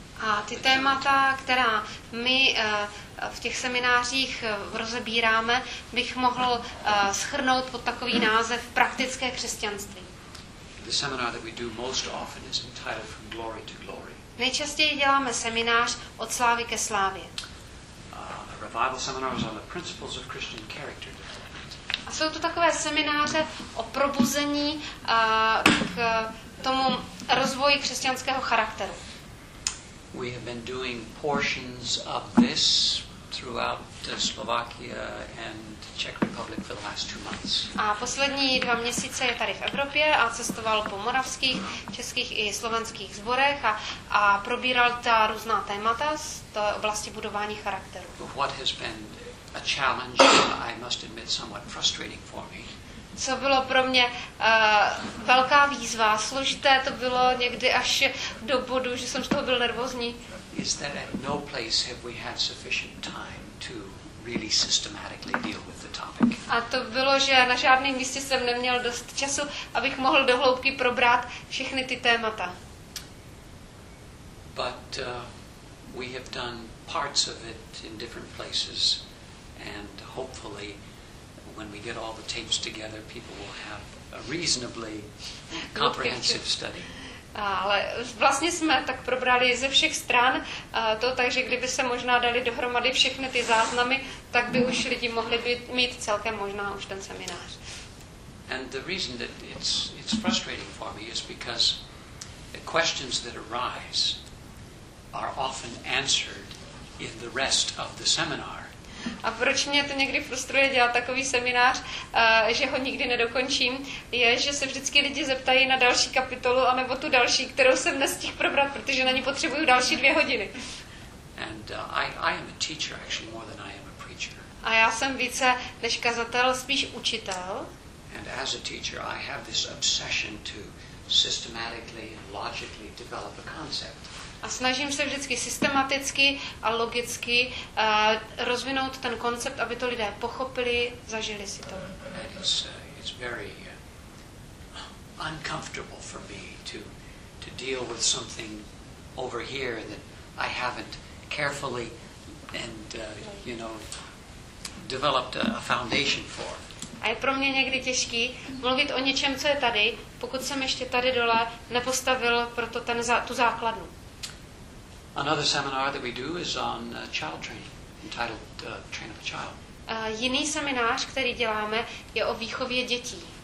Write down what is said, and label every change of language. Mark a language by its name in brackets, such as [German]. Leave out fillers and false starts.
[Czech] A ty témata, která my v těch seminářích rozebíráme, bych mohl shrnout pod takový název praktické křesťanství. [English] The seminar that we do most often is entitled From Glory to Glory. [Czech] Nejčastěji děláme seminář Od slávy ke slávě. [English] A revival seminar is on the principles of Christian character. [Czech] A jsou to takové semináře o probuzení k tomu rozvoji křesťanského charakteru. [English] We have been doing portions of this throughout Slovakia and Czech Republic for the last 2 months. [Czech] A poslední dva měsíce je tady v Evropě a cestoval po moravských, českých i slovenských zborech a probíral ta různá témata z té oblasti budování charakteru. [English] What has been a challenge, I must admit, somewhat frustrating for me. [Czech] Co bylo pro mě velká výzva, složité to bylo někdy až do bodu, že jsem z toho byl nervózní. [English] Is that at no place have we had sufficient time to really systematically deal with the topic. [Czech] A to bylo, že na žádném místě jsem neměl dost času, abych mohl do hloubky probrat všechny ty témata. [English] But we have done parts of it in different places, and hopefully when we get all the tapes together, people will have a reasonably comprehensive study. [Czech] Ale vlastně jsme tak probrali ze všech stran to, takže kdyby se možná dali dohromady všechny ty záznamy, tak by už lidi mohli být, mít celkem možná už ten seminář. [English] And the reason that it's frustrating for me is because the questions that arise are often answered in the rest of the seminar. [Czech] A proč mě to někdy frustruje dělat takový seminář, že ho nikdy nedokončím, je, že se vždycky lidi zeptají na další kapitolu a nebo tu další, kterou jsem nestihl probrat, protože na ní potřebuju další dvě hodiny. [English] And I am a teacher actually more than I am a preacher. [Czech] A já jsem více než kazatel, spíš učitel. [English] And as a teacher I have this obsession to systematically and logically develop a concept. [Czech] A snažím se vždycky systematicky a logicky rozvinout ten koncept, aby to lidé pochopili, zažili si to. [English] It's very uncomfortable for me to deal with something over here that I haven't carefully and you know developed a foundation for. [Czech] A je pro mě někdy těžký mluvit o něčem, co je tady, pokud jsem ještě tady dole nepostavil proto ten tu základnu. [English] Another seminar that we do is on child training, entitled Train Up a Child. [Czech] Jiný seminář, který děláme, je o výchově dětí.